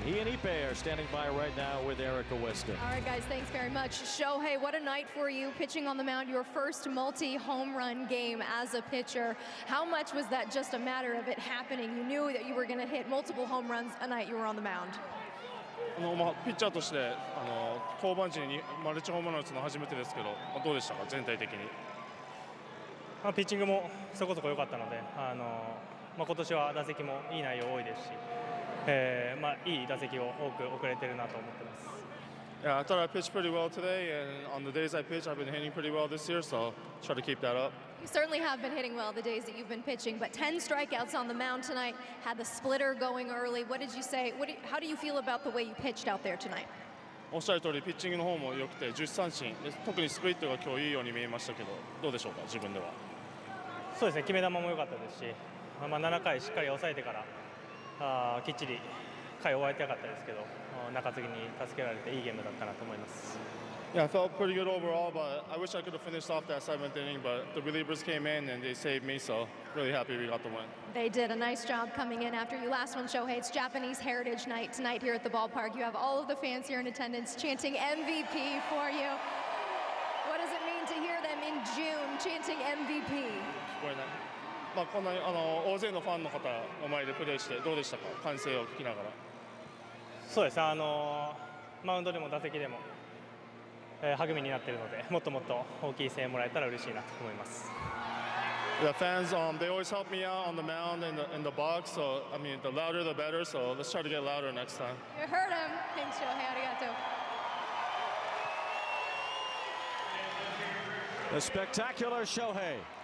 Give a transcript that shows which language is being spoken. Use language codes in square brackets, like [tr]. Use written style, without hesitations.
[en] He and Ipe are standing by right now with Erica Weston. All right, guys, thanks very much. Shohei, what a night for you pitching on the mound, your first multi-home run game as a pitcher. How much was that just a matter of it happening? You knew that you were going to hit multiple home runs a night you were on the mound. [ja] ピッチャーとして降板時にマルチホームランを打つの初めてですけど、どうでしたか、全体的に。ピッチングもそこそこ良かったので、今年は打席もいい内容多いですし、いい打席を多く送れてるなと思ってます。 [en] Yeah, I thought I pitched pretty well today, and on the days I pitch, I've been hitting pretty well this year, so try to keep that up. You certainly have been hitting well the days that you've been pitching, but 10 strikeouts on the mound tonight, had the splitter going early. What did you say? How do you feel about the way you pitched out there tonight? [ja] おっしゃる通り、ピッチングの方も良くて、10三振、特にスプリットが今日いいように見えましたけど、どうでしょうか、自分では。そうですね、決め球も良かったですし、7回しっかり抑えてから、きっちり回終わりたかったですけど、中継ぎに助けられていいゲームだったなと思います。 [en] Yeah, I felt pretty good overall, but I wish I could have finished off that seventh inning, but the relievers came in and they saved me, so really happy we got the win. They did a nice job coming in after you last one, Shohei. It's Japanese Heritage Night tonight here at the ballpark. You have all of the fans here in attendance chanting MVP for you. What does it mean to hear them in June chanting MVP? [ja] こんなに大勢のファンの方の前でプレーしてどうでしたか、歓声を聞きながら。そうですね、マウンドでも打席でも励みになっているので、もっともっと大きい声援もらえたら嬉しいなと思います。 [en] The fans, they always help me out on the mound and in the box, so I mean, the louder the better, so let's try to get louder next time. You heard him. Thanks, Shohei. [ja] ありがとう。 [en] The spectacular Shohei.